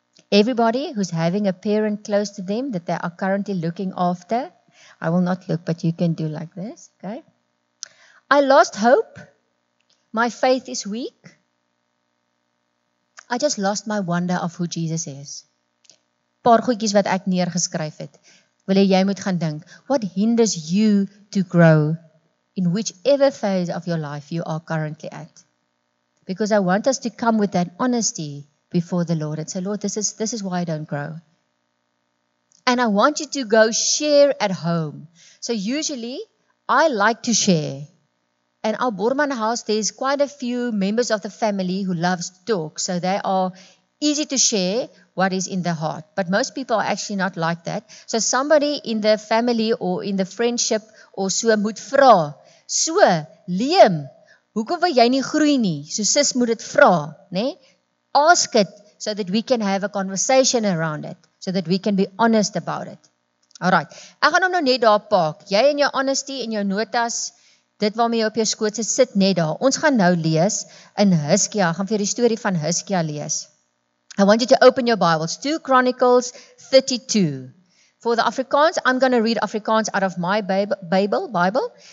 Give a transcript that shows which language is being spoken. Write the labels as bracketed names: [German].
[English] Everybody who's having a parent close to them that they are currently looking after, I will not look, but you can do like this, okay? I lost hope. My faith is weak. I just lost my wonder of who Jesus is. [Afrikaans] Paar goedjies wat ek neergeskryf het. Wil jy moet gaan dink, [English] what hinders you to grow in whichever phase of your life you are currently at? Because I want us to come with that honesty before the Lord and say, Lord, this is why I don't grow. And I want you to go share at home. So usually, I like to share. And our Borman house, there's quite a few members of the family who loves to talk. So they are easy to share what is in the heart. But most people are actually not like that. So somebody in the family or in the friendship or so [Afrikaans] moet vra. So, Liam, hoekom wil jy nie groei nie? So sis moet dit vra, né? [English] Ask it so that we can have a conversation around it. So that we can be honest about it. [Afrikaans] Alright, ek gaan hom nou net daar park. Jy in jou honesty, in jou notas, dit waarmee jy op jou skoot sit, sit net daar. Ons gaan nou lees in Hizkia. Gaan vir die story van Hizkia lees. [English] I want you to open your Bibles. 2 Chronicles 32. For the Afrikaans, I'm going to read Afrikaans out of my Bible.